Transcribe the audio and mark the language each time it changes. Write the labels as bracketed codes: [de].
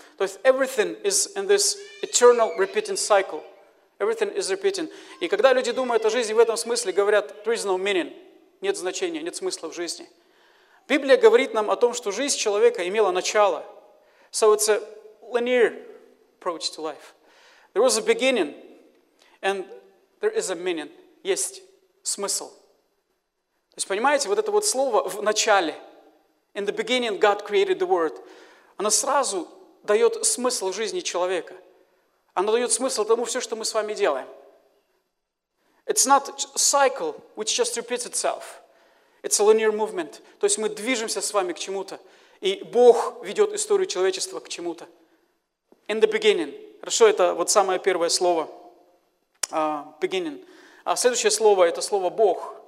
[ru] То есть [en] everything is in this eternal repeating cycle. Everything is repeating. [ru] И когда люди думают о жизни в этом смысле, говорят, [en] there is no meaning. [ru] Нет значения, нет смысла в жизни. Библия говорит нам о том, что жизнь человека имела начало. [en] So it's a linear approach to life. There was a beginning, and there is a meaning. [ru] Есть смысл. То есть понимаете, вот это вот слово в начале. [en] In the beginning God created the world. [ru] Оно сразу дает смысл жизни человека. Оно дает смысл тому все, что мы с вами делаем. [en] It's not a cycle which just repeats itself. It's a linear movement. [ru] То есть мы движемся с вами к чему-то. И Бог ведет историю человечества к чему-то. [en] In the beginning. [ru] Хорошо, это вот самое первое слово. [en] Beginning. [ru] А следующее слово, это слово Бог.